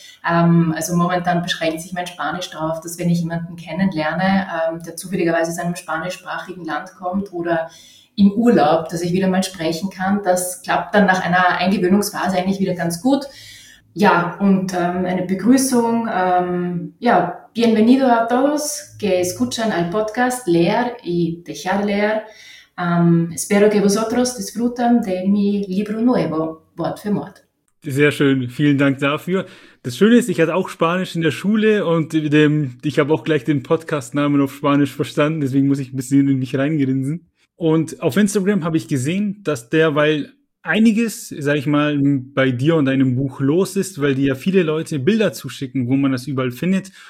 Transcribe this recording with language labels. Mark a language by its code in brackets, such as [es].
[de] Also momentan beschränkt sich mein Spanisch darauf, dass wenn ich jemanden kennenlerne, der zufälligerweise aus einem spanischsprachigen Land kommt oder im Urlaub, dass ich wieder mal sprechen kann. Das klappt dann nach einer Eingewöhnungsphase eigentlich wieder ganz gut. Ja, und eine Begrüßung. Ja. [es] Bienvenido a todos que escuchan al podcast Leer y dejar leer. Espero que vosotros disfruten de mi libro nuevo, Wort für Mord. [de] Sehr schön, vielen Dank dafür. Das Schöne ist, ich hatte auch Spanisch in der Schule und ich habe auch gleich den Podcast-Namen auf Spanisch verstanden, deswegen muss ich ein bisschen in mich reingrinsen. Und auf Instagram habe ich gesehen, dass derweil einiges, sage ich mal, bei dir und deinem Buch los ist, weil dir ja viele Leute Bilder zuschicken, wo man das überall findet.